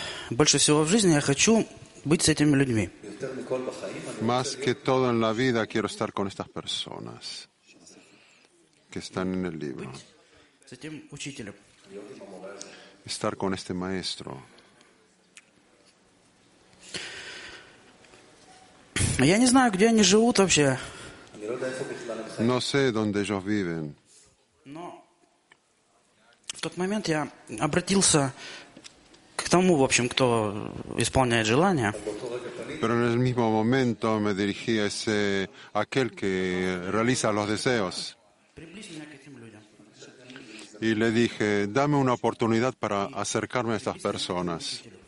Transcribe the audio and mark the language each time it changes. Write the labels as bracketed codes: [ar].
[ru] больше всего в жизни я хочу быть с этими людьми. [es] Más que todo en la vida quiero estar con estas personas que están en el libro. [ru] С этим учителем. [es] Estar con este maestro. [ru] Я не знаю, где они живут вообще. [es] No sé dónde ellos viven. [ru] Но в тот момент я обратился к тому, в общем, кто исполняет желание. [es] Pero en el mismo momento me dirigí a ese aquel que realiza los deseos. Y le dije, dame una oportunidad para acercarme a estas personas.